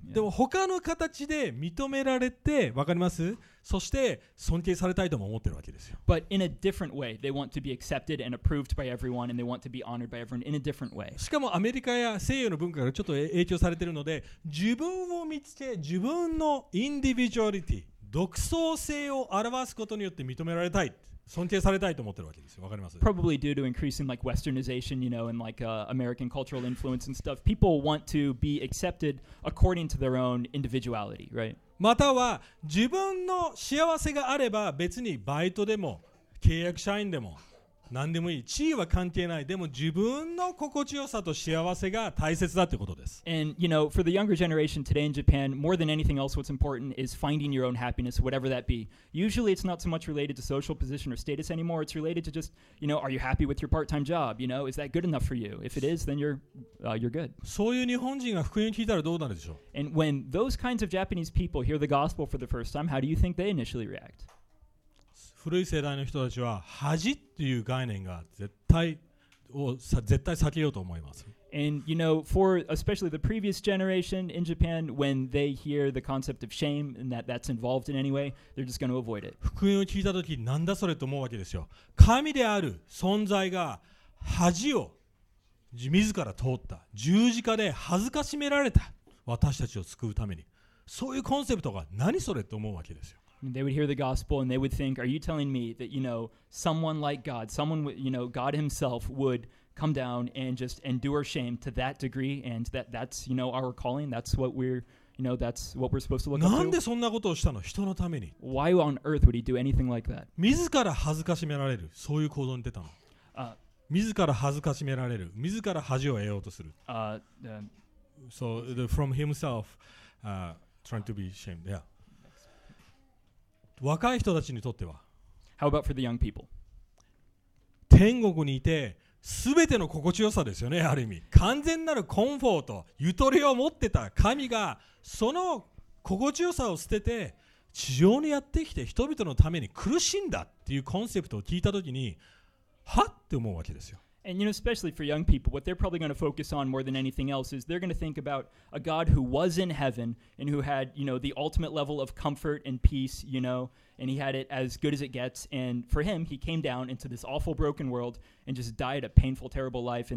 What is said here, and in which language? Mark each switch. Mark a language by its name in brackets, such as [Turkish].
[Japanese] でも他の形で認められて、わかります? そして尊敬されたいとも思ってるわけですよ。 [English] But in a different way, they want to be accepted and approved by everyone, and they want to be honored by everyone in a different way. [Japanese] しかもアメリカや西洋の文化からちょっと影響されてるので、自分を見つけ、自分のインディビジュアリティ、独創性を表すことによって認められたい。尊敬されたいと思ってるわけですよ。わかります? [English] Probably due to increasing like westernization, you know, and like American cultural influence and stuff, people want to be accepted according to their own individuality, right? [Japanese] または自分の幸せがあれば別にバイトでも契約社員でも何でもいい。地位は関係ない。でも自分の心地よさと幸せが大切だということです。 [English] And, you know, for the younger generation today in Japan, more than anything else, what's important is finding your own happiness, whatever that be. Usually it's not so much related to social position or status anymore. It's related to just, you know, are you happy with your part-time job? You know, is that good enough for you? If it is, then you're good. [Japanese] そういう日本人が福音を聞いたらどうなるでしょう? [English] And when those kinds of Japanese people hear the gospel for the first time, how do you think they initially react? [Japanese] 古い世代の人たちは恥っていう概念が絶対避けようと思います。 [English] And you know, for especially the previous generation in Japan, when they hear the concept of shame and that's involved in any way, they're just going to avoid it. [Japanese] 福音を聞いた時、なんだそれと思うわけですよ。神である存在が恥を自ら通った。十字架で恥ずかしめられた私たちを救うために。そういうコンセプトが何それと思うわけですよ。 [English] They would hear the gospel and they would think, are you telling me that, you know, someone like God, someone, you know, God himself would come down and just endure shame to that degree and that's, you know, our calling? That's what we're, you know, that's what we're supposed to look up to? [Japanese] なんでそんなことをしたの? 人のために。 [English] Why on earth would he do anything like that? [Japanese] 自ら恥ずかしめられる。そういう行動に出たの。自ら恥ずかしめられる。自ら恥を得ようとする。 [English] So, from himself, trying to be shamed, yeah. [Japanese] 若い人たちにとっては [English] How about for the young people? [Japanese] 天国にいて全ての心地よさですよね、ある意味完全なるコンフォート、ゆとりを持ってた神がその心地よさを捨てて地上にやってきて人々のために苦しんだっていうコンセプトを聞いたときにはって思うわけですよ。 [English] And you know, especially for young people, what they're probably going to focus on more than anything else is they're going to think about a God who was in heaven and who had, you know, the ultimate level of comfort and peace, you know, and he had it as good as it gets. And for him, he came down into this awful broken world and just died a painful, terrible life.